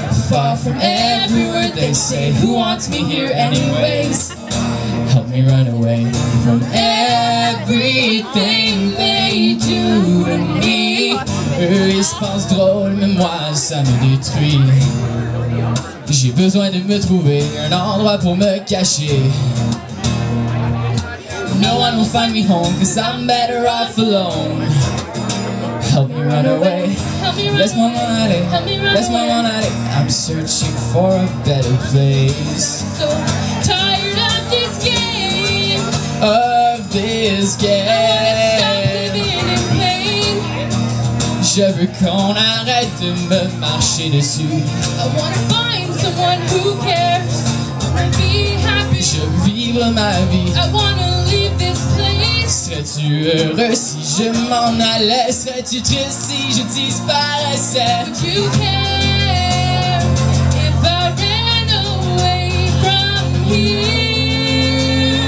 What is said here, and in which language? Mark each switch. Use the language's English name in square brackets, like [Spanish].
[English] Far from every word they say, who wants me here anyways? Help me run away from everything they do to me. [French] Eux ils se pensent drôles, mais moi ça me détruit. J'ai besoin de me trouver un endroit pour me cacher. [English] No one will find me home, cause I'm better off alone. Help me run away, help me run away, let's move on at it. I'm searching for a better place. So tired of this game, of this game. Stop living in pain. [French] Je veux qu'on arrête de me marcher dessus. [English] I wanna find someone who cares and be happy. [French] Je veux vivre ma vie. [English] I wanna leave this place. [French] Serais-tu heureux si je m'en allais? Serais-tu triste si je disparaissais? [English] Would you care if I ran away from here?